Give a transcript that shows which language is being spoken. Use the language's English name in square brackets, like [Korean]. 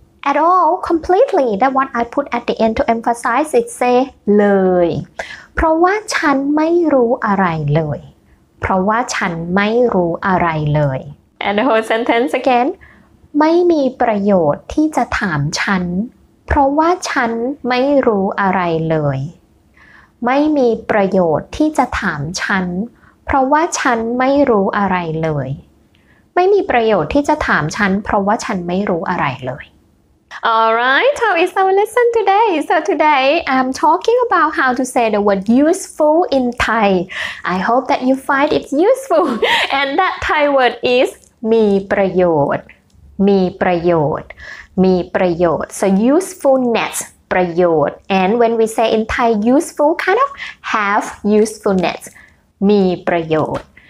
[English] at all completely that what I put at the end to emphasize it say [Thai] เลยเพราะว่าฉันไม่รู้อะไรเลยเพราะว่าฉันไม่รู้อะไรเลย [English] and the whole sentence again [Thai] ไม่มีประโยชน์ที่จะถามฉันเพราะว่าฉันไม่รู้อะไรเลย ไม่มีประโยชน์ที่จะถามฉันเพราะว่าฉันไม่รู้อะไรเลยไม่มีประโยชน์ที่จะถามฉันเพราะว่าฉันไม่รู้อะไรเลย [English] Alright, how is our lesson today? So today I'm talking about how to say the word useful in Thai. I hope that you find it useful. And that Thai word is มีประโยชน์มีประโยชน์มีประโยชน์ So usefulnessประโยชน์ and when we say in Thai useful kind of have usefulness มีประโยชน์